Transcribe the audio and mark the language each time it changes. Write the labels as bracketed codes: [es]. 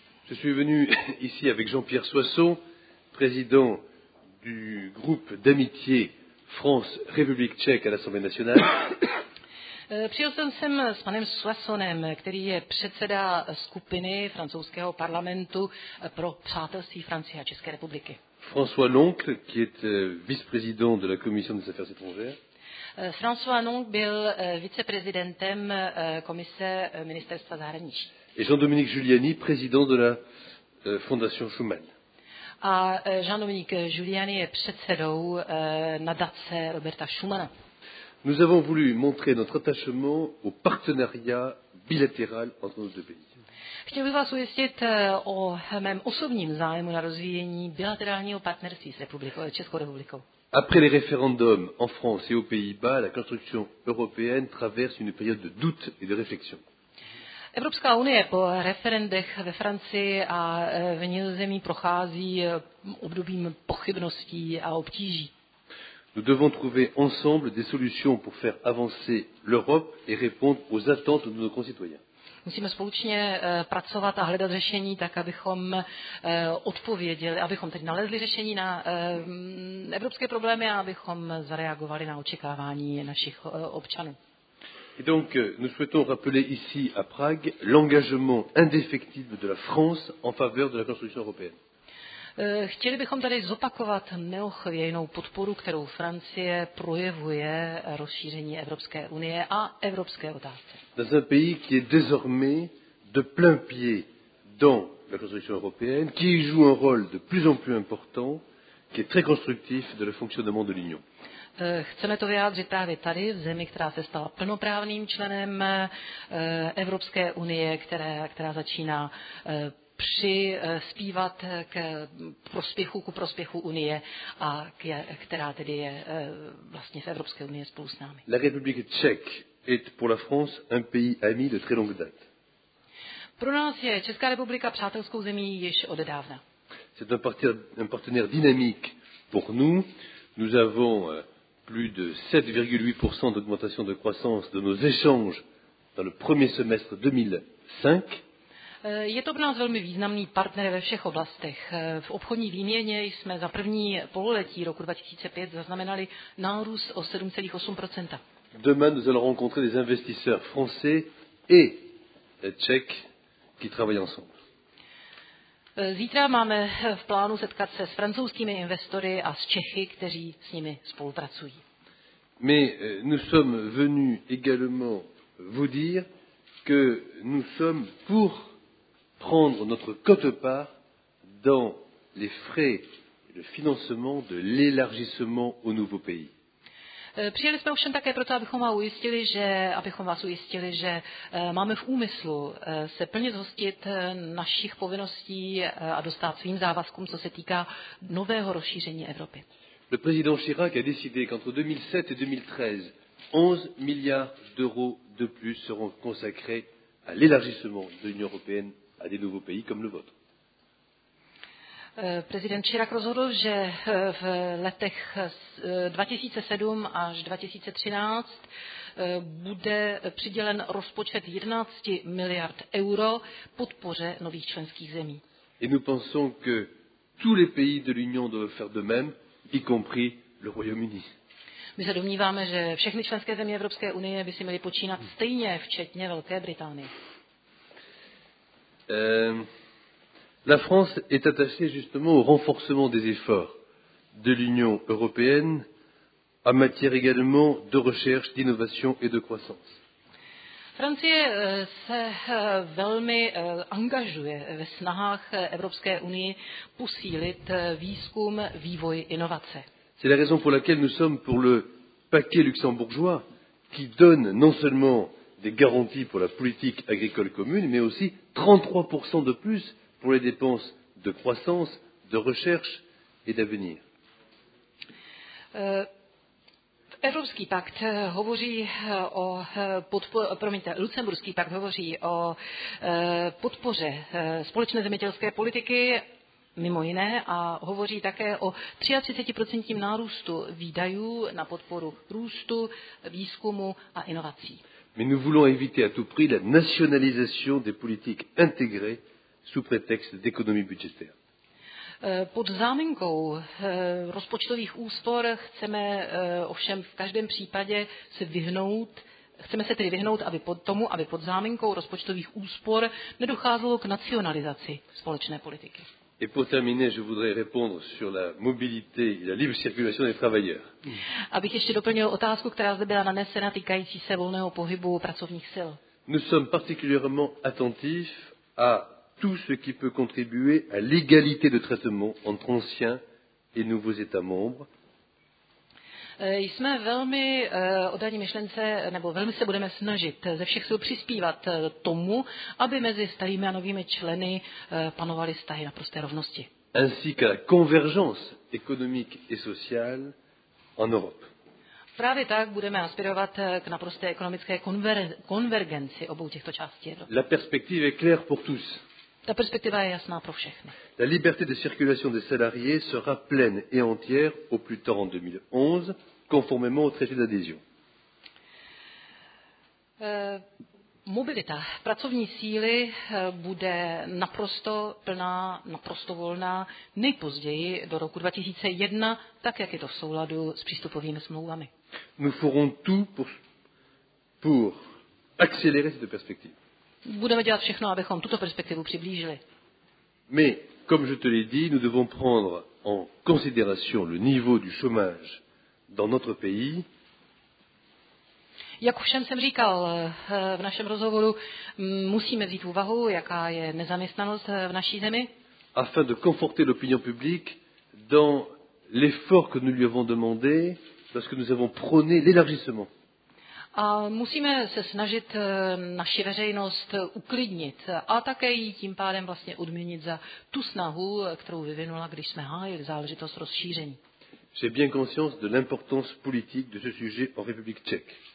[fr] Je suis venu ici avec Jean-Pierre Soisson, président du groupe d'amitié France-République Tchèque à l'Assemblée nationale. [cs] Přijel jsem sem s panem Soissonem, který je předseda skupiny francouzského parlamentu pro přátelství Francie a České republiky. [fr] François Loncle, qui est vice-président de la Commission des affaires étrangères. [cs] François Nong byl viceprezidentem komise ministerstva zahraničí. [fr] Et Jean-Dominique Giuliani, président de la Fondation Schuman. [cs] A Jean-Dominique Giuliani est předsedou nadace Roberta Schumana. [fr] Nous avons voulu montrer notre attachement au partenariat bilatéral entre nos deux pays. [cs] Chtěl bych vás ujistit o mém osobním zájmu na rozvíjení bilaterálního partnerství s Českou republikou. [fr] Après les référendums en France et aux Pays-Bas, la construction européenne traverse une période de doute et de réflexion. [cs] Evropská unie po referendech ve Francii a v Nizozemí prochází obdobím pochybností a obtíží. [fr] Nous devons trouver ensemble des solutions pour faire avancer l'Europe et répondre aux attentes de nos concitoyens. [cs] Musíme společně pracovat a hledat řešení tak, abychom odpověděli, abychom tedy nalezli řešení na evropské problémy a abychom zareagovali na očekávání našich občanů. [fr] Et donc nous souhaitons rappeler ici à Prague l'engagement indéfectible de la France en faveur de la construction européenne. [cs] Chtěli bychom tady zopakovat neochvějnou podporu, kterou Francie projevuje rozšíření Evropské unie a evropské otázce. [fr] Dans un pays qui est désormais de plein pied dans la construction européenne, qui joue un rôle de plus en plus important, qui est très constructif de le fonctionnement de l'Union. [cs] Chceme to vyjádřit právě tady, v zemi, která se stala plnoprávným členem Evropské unie, která začíná přispívat ku prospěchu Unie a která tedy je vlastně v Evropské unii spolu s námi. [fr] La République tchèque est pour la France un pays ami de très longue date. [cs] Pro nás je Česká republika přátelskou zemí již od dávna. [fr] C'est un partenaire dynamique pour nous. Nous avons plus de 7,8% d'augmentation de croissance de nos échanges dans le premier semestre 2005. [cs] Je to pro nás velmi významný partner ve všech oblastech. V obchodní výměně jsme za první pololetí roku 2005 zaznamenali nárůst o 7,8%. [fr] Demain, nous allons rencontrer des investisseurs français et tchèques qui travaillent ensemble. [cs] Zítra máme v plánu setkat se s francouzskými investory a s Čechy, kteří s nimi spolupracují. [fr] Mais nous sommes venus également vous dire que nous sommes pour prendre notre quote-part dans les frais, le financement de l'élargissement au nouveau pays. [cs] Přijeli jsme ovšem také proto, abychom vás ujistili, že máme v úmyslu se plně zhostit našich povinností a dostat svým závazkům, co se týká nového rozšíření Evropy. [fr] Le président Chirac a décidé qu'entre 2007 et 2013, 11 milliards d'euros de plus seront consacrés à l'élargissement de l'Union européenne à des nouveaux pays comme le vôtre. [cs] Prezident Chirac rozhodl, že v letech 2007 až 2013 bude přidělen rozpočet 11 miliard euro podpoře nových členských zemí. [fr] Et nous pensons que tous les pays de l'Union doivent faire de même, y compris le Royaume-Uni. [cs] My se domníváme, že všechny členské země Evropské unie by si měly počínat stejně, včetně Velké Británie. [fr] La France est attachée justement au renforcement des efforts de l'Union européenne en matière également de recherche, d'innovation et de croissance. [cs] Francie se velmi angažuje ve snahách Evropské unie posílit výzkum, vývoj, inovace. [fr] C'est la raison pour laquelle nous sommes pour le paquet luxembourgeois qui donne non seulement des garanties pour la politique agricole commune mais aussi 33% de plus pour les dépenses de croissance, de recherche et d'avenir. [cs] Evropský pakt hovoří o Luxemburský pakt hovoří o podpoře společné zemědělské politiky mimo jiné a hovoří také o 33% nárůstu výdajů na podporu růstu, výzkumu a inovací. [fr] Mais nous voulons éviter à tout prix la nationalisation des politiques intégrées sous prétexte d'économie budgétaire. [cs] Pod záminkou rozpočtových úspor chceme ovšem v každém případě se vyhnout, chceme se tedy vyhnout aby pod záminkou rozpočtových úspor nedocházelo k nacionalizaci společné politiky. [fr] Et pour terminer, je voudrais répondre sur la mobilité et la libre circulation des travailleurs. [cs] Abych ještě doplnil otázku, která zde byla nanesena týkající se volného pohybu pracovních sil. [fr] Nous sommes particulièrement attentifs à tout ce qui peut contribuer à l'égalité de traitement entre anciens et nouveaux États membres. [cs] Jsme velmi oddaní myšlence, nebo velmi se budeme snažit ze všech sil přispívat tomu, aby mezi starými a novými členy panovaly vztahy naprosté rovnosti. [fr] Ainsi qu'à la convergence économique et sociale en Europe. [cs] Právě tak budeme aspirovat k naprosté ekonomické konvergenci obou těchto částí Evropy. [fr] La perspective est claire pour tous. [cs] Ta perspektiva je jasná pro všechny. [fr] La liberté de circulation des salariés sera pleine et entière au plus tard en 2011, conformément au traité d'adhésion. [cs] Mobilita pracovní síly bude naprosto plná, naprosto volná nejpozději do roku 2001, tak jak je to v souladu s přístupovými smlouvami. [fr] Nous ferons tout pour accélérer cette perspective. [cs] Budeme dělat všechno, abychom tuto perspektivu přiblížili. [fr] Mais, comme je te l'ai dit, nous devons prendre en considération le niveau du chômage dans notre pays. [cs] Jak už jsem říkal v našem rozhovoru, musíme vzít úvahu, jaká je nezaměstnanost v naší zemi. [fr] Afin de conforter l'opinion publique dans l'effort que nous lui avons demandé, lorsque nous avons prôné l'élargissement. [cs] A musíme se snažit naši veřejnost uklidnit a také ji tím pádem vlastně odměnit za tu snahu, kterou vyvinula, když jsme hájili záležitost rozšíření. [fr] J'ai bien conscience de l'importance politique de ce sujet en République tchèque.